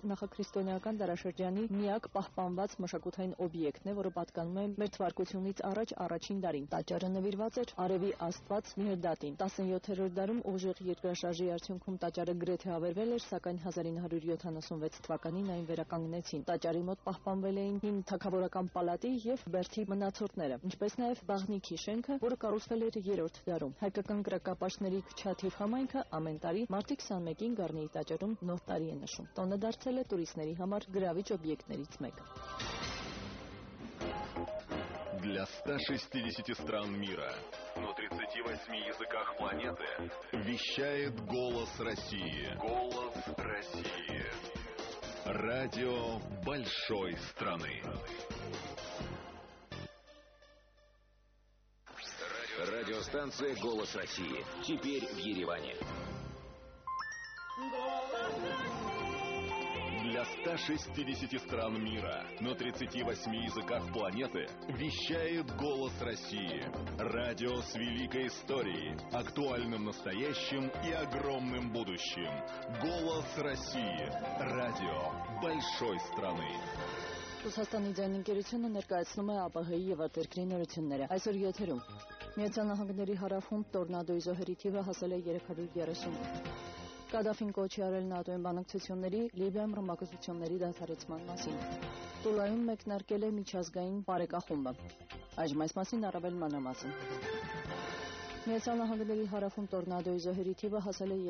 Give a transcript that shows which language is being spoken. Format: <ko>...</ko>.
<hy>նախաքրիստոնեական դարաշրջանի միակ պահպանված մշակութային օբյեկտն է, որը պատկանում է մեր թվարկությունից առաջ առաջին դարին։ Տաճարը նվիրված էր արևի աստված Մերդատին։ 17-րդ դարում ուժեղ երկրաշարժի արդյունքում տաճարը գրեթե ավերվել էր, սակայն 1976 թվականին այն վերականգնեցին։ Տաճարի մոտ պահպանվել էին հին թագավորական պալատի և Բերթի մնացորդները, ինչպես նաև Բաղնիքի շենքը, որը կառուցվել էր 3-րդ դարում։ Հայկական կրակապաշտների Քչաթիվ համայնքը ամեն տարի մարտի 21-ին Գառնիի տաճարում նոր տարի է նշում։ Տոնը դարձել է տուրիստների համար գրավիչ օբյեկտներից մեկը։</hy> <ru>Для 160 стран мира, на 38 языках планеты, вещает «Голос России». «Голос России». Радио большой страны. Радиостанция «Голос России». Теперь в Ереване. Для 160 стран мира на 38 языках планеты вещает «Голос России». Радио с великой историей, актуальным настоящим и огромным будущим. «Голос России». Радио большой страны.</ru> <hy>Ռուսաստանի ձայն ընկերությունը ներկայացնում է ԱՊՀ-ի և արտերկրի նորությունները։ Այսօր եթերում Միացյալ Նահանգների հարավում տորնադոյի զոհերի թիվը հասել է 330. Կադաֆին կոչի արել ՆԱՏՕ-ի բանակցությունների Լիբիայում ռմբակոծությունների դադարեցման մասին։ Տուլայում մեկնարկել է միջազգային բարեկախումբը։ Այժմ այս մասին առավել մանրամասն։ Միացյալ Նահանգների հարավում տորնադոյի զոհերի թիվը հասել է</hy>